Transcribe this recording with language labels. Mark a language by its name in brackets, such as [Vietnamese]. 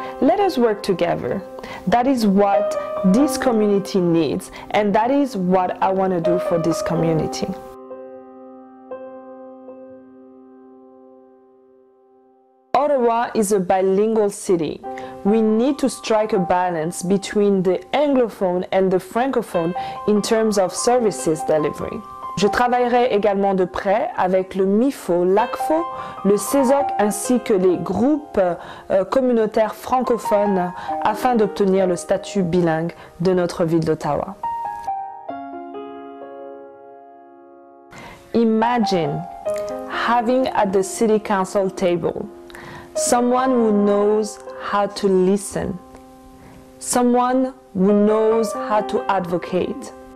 [English] Let us work together. That is what this community needs, and that is what I want to do for this community. Ottawa is a bilingual city. We need to strike a balance between the anglophone and the francophone in terms of services delivery. [French] Je travaillerai également de près avec le MIFO, l'ACFO, le CESOC ainsi que les groupes communautaires francophones afin d'obtenir le statut bilingue de notre ville d'Ottawa. [English] Imagine having at the city council table someone who knows how to listen, someone who knows how to advocate.